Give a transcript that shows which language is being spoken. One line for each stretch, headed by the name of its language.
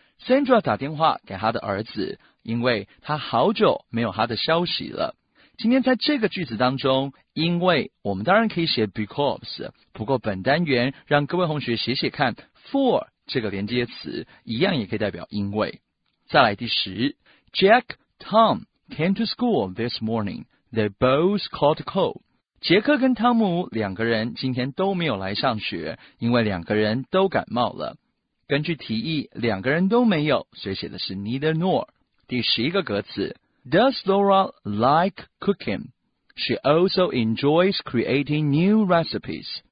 Chinese: Sandra 打电话给他的儿子，因为他好久没有他的消息了。今天在这个句子当中，因为我们当然可以写 because， 不过本单元让各位同学写写看 for 这个连接词一样也可以代表因为。再来第十，
English: Jack, Tom came to school this morning. They both caught cold.
Chinese: 杰克跟汤姆两个人今天都没有来上学，因为两个人都感冒了。根据提议，两个人都没有，所以写的是 neither nor。第十一个格子，
English: Does Laura like cooking? She also enjoys creating new recipes.